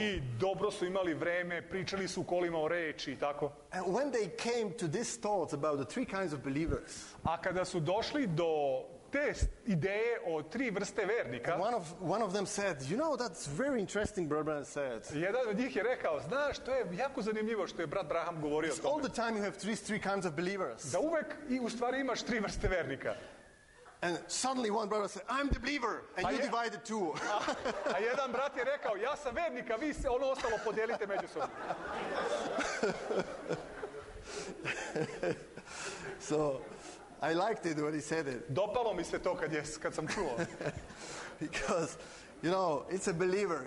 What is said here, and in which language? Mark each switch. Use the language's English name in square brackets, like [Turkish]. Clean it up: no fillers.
[Serbian] I dobro su imali vreme, pričali su u kolima o reči i tako. [English] And when they came to this thought about the three kinds of believers. [Serbian] A kada su došli do te ideje o tri vrste vernika. [English] And one of them said, you know, that's very interesting, brother Branham said. [Serbian] Jedan od njih je rekao, znaš, to je jako zanimljivo što je brat Braham govorio o tome. [English] All the time you have three kinds of believers. [Serbian] Da uvek i u stvari imaš tri vrste vernika. [English] And suddenly one brother said, I'm the believer, and you divide the two. [Serbian] A jedan brat je rekao, ja sam vernik, a vi se ono ostalo podelite međusobno. [English] So I liked it when he said it. [Serbian] Dopalo mi se to kad sam čuo. [English] Because, you know, it's a believer.